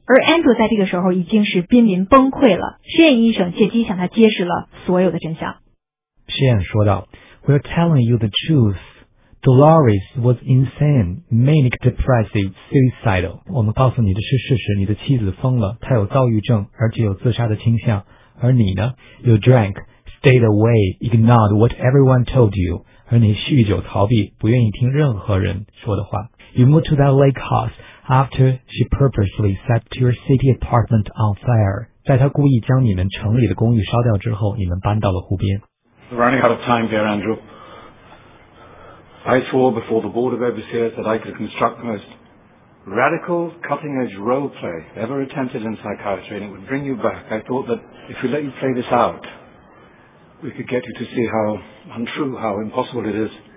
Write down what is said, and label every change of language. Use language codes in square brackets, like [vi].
[zh] 而 Andrew 在这个时候已经是濒临崩溃了。Shane 医生借机向他揭示了所有的真相。 [en] Shane [zh] 说道 [en] ：“We're telling you the truth. Dolores was insane, manic depressive, suicidal. [zh] 我们告诉你的是事实，你的妻子疯了，她有躁郁症，而且有自杀的倾向。而你呢 [en] ？You drank, stayed away, ignored what everyone told you. [zh] 而你酗酒逃避，不愿意听任何人说的话。 [en] You moved to that lake house after she purposely set your city apartment on fire. [zh] 在她故意将你们城里的公寓烧掉之后，你们搬到了湖边。” [en] We're running out of time, dear Andrew. I swore before the board of overseers that I could construct the most radical, cutting-edge role play ever attempted in psychiatry, and it would bring you back. I thought that if we let you play this out, we could get you to see how untrue, how impossible it is.